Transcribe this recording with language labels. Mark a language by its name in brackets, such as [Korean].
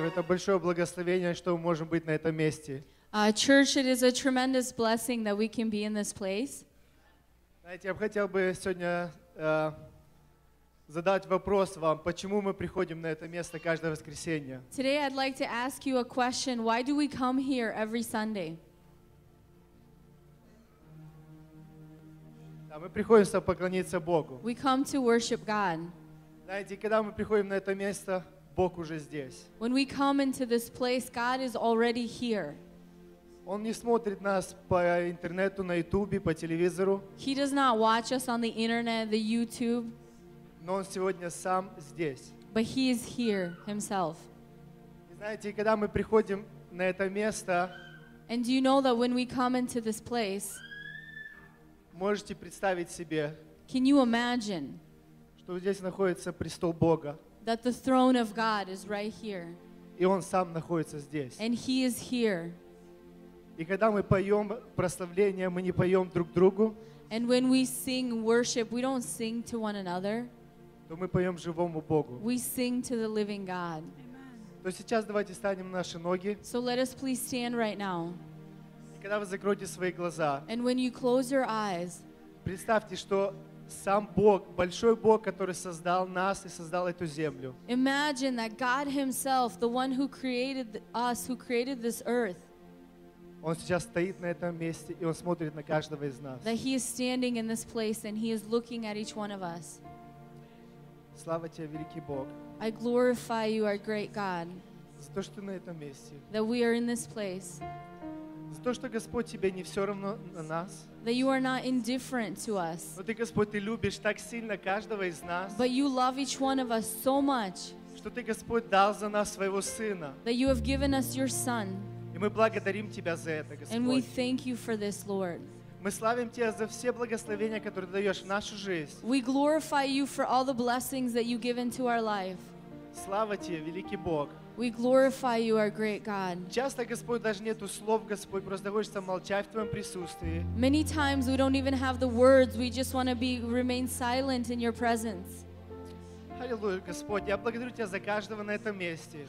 [Russian] большое благословение, что мы можем быть на этом месте. [English] Church, it is a tremendous blessing that we can be in this place. [Russian] Знаете, я бы хотел бы сегодня задать вопрос вам, почему мы приходим на это место каждое воскресенье. [English] Today I'd like to ask you a question. Why do we come here every Sunday? [Russian] Да, мы приходим, чтобы поклониться Богу. [English] We come to worship God. [Russian] Знаете, когда мы приходим на это место, Бог уже здесь. [English] When we come into this place, God is already here. [Russian] Он не смотрит нас по интернету, на Ютубе, по телевизору. [English] He does not watch us on the internet, the YouTube. [Russian] Но он сегодня сам здесь. [English] But he is here himself. [Russian] И знаете, когда мы приходим на это место, [English] and do you know that when we come into this place, [Russian] можете представить себе, [English] can you imagine, [Russian] что здесь находится престол Бога, [English] that the throne of God is right here, [Russian] и он сам находится здесь, [English] and he is here. [Russian] И когда мы поем прославление, мы не поем друг другу, [English] and when we sing worship, we don't sing to one another, [Russian] то мы поем живому Богу. [English] We sing to the living God. [Russian] Amen. То сейчас давайте встанем наши ноги. [English] So let us please stand right now. [Russian] И когда вы закроете свои глаза, [English] and when you close your eyes, [Russian] представьте, что сам Бог, большой Бог, который создал нас и создал эту землю. [English] Imagine that God himself, the one who created us, who created this earth, [Russian] он сейчас стоит на этом месте, и он смотрит на каждого из нас. [English] That he is standing in this place and he is looking at each one of us. [Russian] Слава тебе, великий Бог. [English] I glorify you, our great God. [Russian] За то, что ты на этом месте. [English] That we are in this place. [Russian] За то, что Господь тебе не все равно на нас. [English] That you are not indifferent to us. [Russian] Но ты, Господь, ты любишь так сильно каждого из нас. [English] But you love each one of us so much. [Russian] Что ты, Господь, дал за нас своего сына. [English] That you have given us your son. [Russian] И мы благодарим тебя за это, Господь. [English] And we thank you for this, Lord. [Russian] Мы славим тебя за все благословения, которые даешь в нашу жизнь. [English] We glorify you for all the blessings that you give into our life. [Russian] Слава тебе, великий Бог. [English] We glorify you, our great God. [Russian] Часто, Господь, даже нету слов, Господь, просто хочется молчать в твоем присутствии. [English] Many times we don't even have the words, we just want to be remain silent in your presence. [Russian] Аллилуйя, Господь, я благодарю тебя за каждого на этом месте.